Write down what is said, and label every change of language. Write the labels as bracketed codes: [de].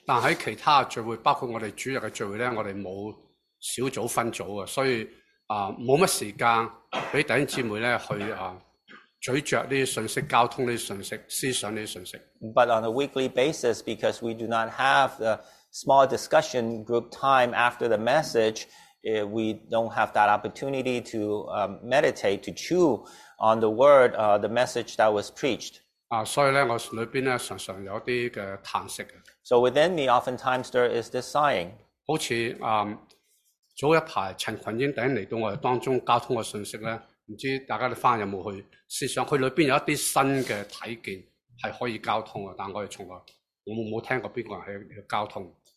[yue] 但喺其他聚会，包括我哋主日嘅聚会咧，我哋冇小组分组嘅，所以冇乜时间俾弟兄姊妹咧去咀嚼呢啲信息、交通呢啲信息、思想呢啲信息。 [en] But on a weekly basis, because we do not have the small discussion group time after the message, we don't have that opportunity to meditate, to chew on the word, the message that was preached. [yue] 所以咧，我里边咧常常有啲嘅叹息。 [en] So within me, oftentimes there is this sighing. [yue] 好似早一排陈群英等嚟到我哋当中交通嘅信息咧。唔知道大家你翻有冇去思想？佢里边有一啲新嘅睇见系可以交通嘅，但我哋从来我冇听过边个人喺交通。